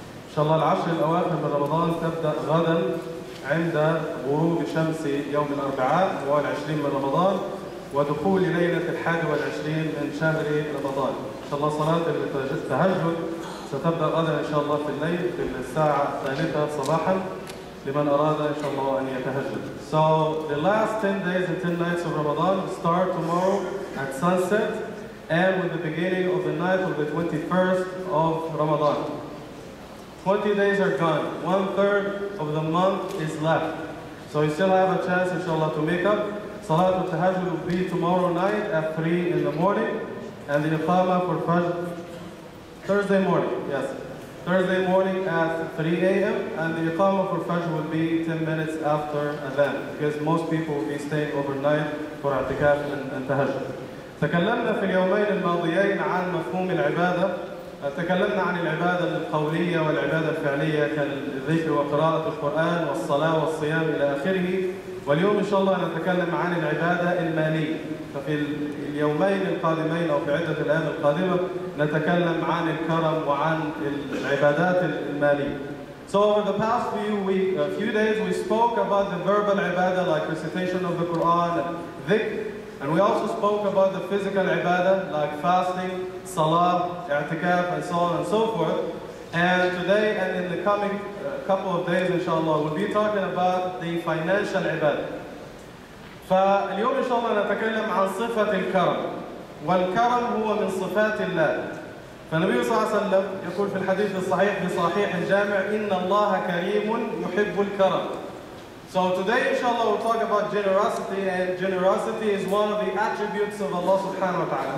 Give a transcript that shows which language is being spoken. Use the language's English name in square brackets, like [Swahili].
[Arabic] إن شاء الله العشر الأواخر من رمضان تبدأ غدا عند غروب شمس يوم الأربعاء والعشرين من رمضان ودخول ليلة الحادي والعشرين من شهر رمضان. إن شاء الله صلاة التهجد ستبدأ غدا إن شاء الله في الليل في الساعة الثالثة صباحا لمن أراد إن شاء الله أن يتهجد. [English] So the last 10 days and 10 nights of Ramadan start tomorrow at sunset and with the beginning of the night of the 21st of Ramadan. 20 days are gone. One third of the month is left. So you still have a chance, inshallah, to make up. Salat al-Tahajjud will be tomorrow night at 3 in the morning. And the Iqamah for Fajr, Thursday morning, yes. Thursday morning at 3 a.m. And the Iqamah for Fajr will be 10 minutes after Adhan. Because most people will be staying overnight for i'tikaf and Tahajjud. [Arabic] تكلمنا في اليومين الماضيين عن مفهوم العبادة. تكلمنا عن العبادة القولية والعبادة الفعلية كالذكر وقراءة القرآن والصلاة والصيام إلى آخره. واليوم إن شاء الله نتكلم عن العبادة المالية. ففي اليومين القادمين أو في عدة الأيام القادمة نتكلم عن الكرم وعن العبادات المالية. [English] So over the past few days we spoke about the verbal عبادة like recitation of the Quran, ذكر. And we also spoke about the physical ibadah like fasting, salah, i'tikaf, and so on and so forth. And today and in the coming couple of days, inshallah, we'll be talking about the financial ibadah. [Arabic] فاليوم إن شاء الله نتكلم عن صفة الكرم. والكرم هو من صفات الله. فالنبي صلى الله عليه وسلم يقول في الحديث الصحيح في صحيح الجامع إن الله كريم يحب الكرم. [English] So today, inshallah, we'll talk about generosity, and generosity is one of the attributes of Allah subhanahu wa ta'ala.